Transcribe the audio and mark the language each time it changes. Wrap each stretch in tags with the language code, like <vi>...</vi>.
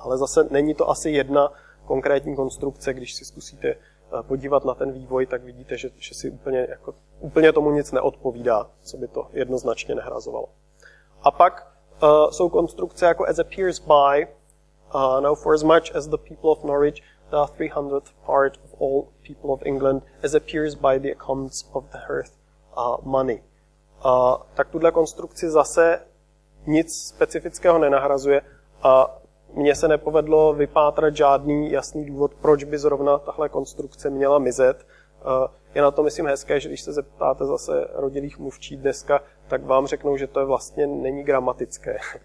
<cs>Ale zase není to asi jedna konkrétní konstrukce, když si zkusíte podívat na ten vývoj, tak vidíte, že si úplně, jako, úplně tomu nic neodpovídá, co by to jednoznačně nehrazovalo. A pak jsou konstrukce jako</cs> <en>as appears by, now for as much as the people of Norwich, the 300th part of all people of England, as appears by the accounts of the hearth money.</en> <cs>Tak tuhle konstrukci zase nic specifického nenahrazuje a mně se nepovedlo vypátrat žádný jasný důvod, proč by zrovna tahle konstrukce měla mizet. Je na to, myslím, hezké, že když se zeptáte zase rodilých mluvčí dneska, tak vám řeknou, že to vlastně není gramatické.</cs>